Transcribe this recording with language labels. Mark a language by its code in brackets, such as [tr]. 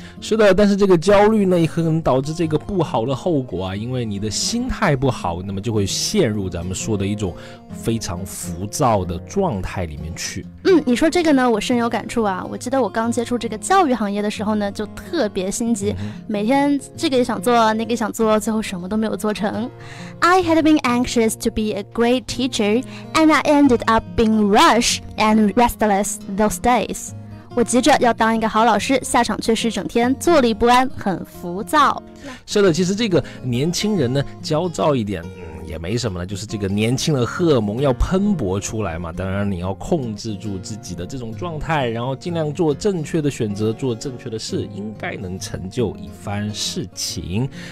[zh] 是的，但是这个焦虑呢也可能导致这个不好的后果啊，因为你的心态不好，那么就会陷入咱们说的一种非常浮躁的状态里面去。你说这个呢我深有感触啊，我记得我刚接触这个教育行业的时候呢就特别心急，每天这个也想做那个想做，最后什么都没有做成。 [en] I had been anxious to be a great teacher and I ended up being rushed and restless those days. [zh] 我急着要当一个好老师，下场却是整天坐立不安，很浮躁。是的，其实这个年轻人呢焦躁一点也没什么了，就是这个年轻的荷尔蒙要喷薄出来嘛，当然你要控制住自己的这种状态，然后尽量做正确的选择，做正确的事，应该能成就一番事情。